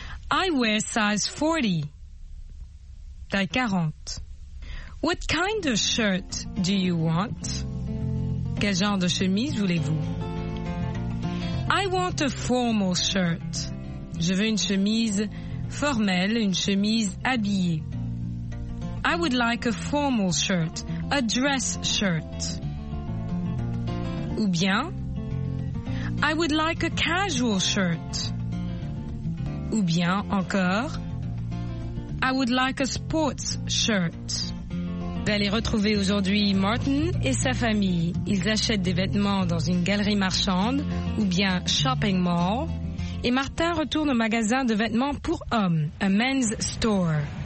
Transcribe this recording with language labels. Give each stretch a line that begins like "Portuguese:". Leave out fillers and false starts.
English: I wear size 40.
French: Taille 40.
English: What kind of shirt do you want?
French: Quel genre de chemise voulez-vous?
English: I want a formal shirt.
French: Je veux une chemise formelle, une chemise habillée.
English: I would like a formal shirt, a dress shirt.
French: Ou bien,
English: I would like a casual shirt.
French: Ou bien encore,
English: I would like a sports shirt.
French: Vous allez retrouver aujourd'hui Martin et sa famille. Ils achètent des vêtements dans une galerie marchande ou bien shopping mall. Et Martin retourne au magasin de vêtements pour hommes,
English: a men's store.